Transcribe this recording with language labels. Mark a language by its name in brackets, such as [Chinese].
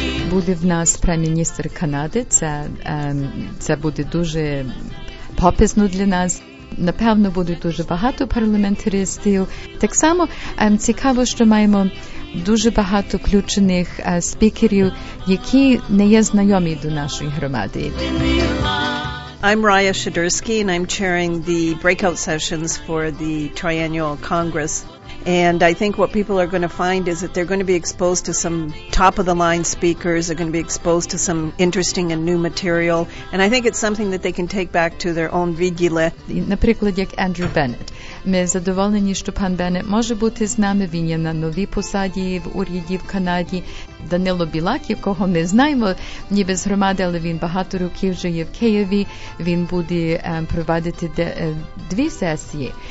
[Ukrainian] Буде в нас прем'єр-міністр Канади, це буде дуже пописно для нас. Напевно, буде дуже багато парламентаристів. Так само цікаво, що маємо дуже багато включених спікерів, які не є знайомі до нашої громади. [English] I'm Raya Shadursky, and I'm chairing the breakout sessions for the Triennial Congress. And I think what people are going to find is that they're going to be exposed to some top-of-the-line speakers, they're going to be exposed to some interesting and new material, and I think it's something that they can take back to their own vigile. [Ukrainian] Наприклад, як Andrew Bennett. Ми задоволені, що пан Беннет може бути з нами, він є на новій посаді в уряді в Канаді. Данило Білак, якого ми знаємо ніби з громади, але він багато років вже є в Києві, він буде проводити дві сесії.